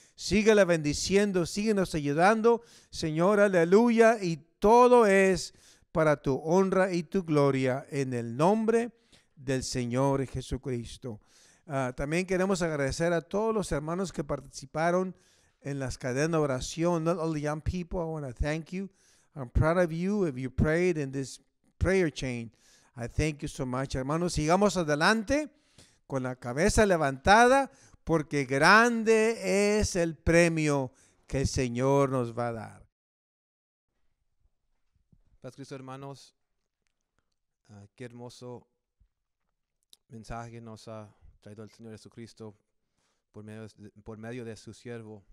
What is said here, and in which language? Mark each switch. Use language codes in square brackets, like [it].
[es] Síguela bendiciendo, síguenos ayudando, Señor, aleluya, y todo es para tu honra y tu gloria en el nombre del Señor Jesucristo. También queremos agradecer a todos los hermanos que participaron en las cadenas de oración. [en] Not all the young people, I want to thank you. I'm proud of you if you prayed in this prayer chain. I thank you so much, hermanos. [es] Sigamos adelante con la cabeza levantada, porque grande es el premio que el Señor nos va a dar. Paz Cristo, hermanos. Qué hermoso mensaje nos ha traído el Señor Jesucristo por medio de su siervo.